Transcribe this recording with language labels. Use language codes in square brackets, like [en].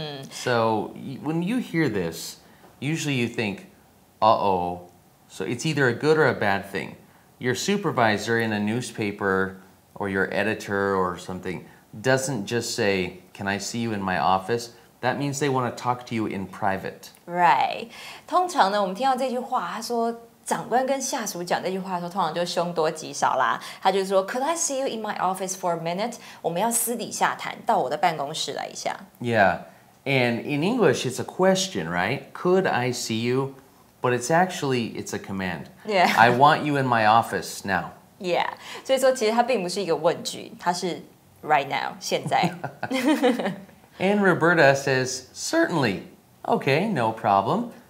[en] So when you hear this, usually you think, uh-oh, So it's either a good or a bad thing. Your supervisor in a newspaper or your editor or something doesn't just say, can I see you in my office? That means they want to talk to you in private. Right. [zh] 通常呢，我们听到这句话，他说长官跟下属讲这句话的时候，通常就凶多吉少啦。 [en] 他就说，Could I see you in my office for a minute? [zh] 我们要私底下谈，到我的办公室来一下。 [en] Yeah, and in English, it's a question, right? Could I see you? But it's a command. Yeah. I want you in my office now. [zh] Yeah. 所以说，其实它并不是一个问句，它是 right now, 现在。 [en] And Roberta says, certainly. Okay, no problem.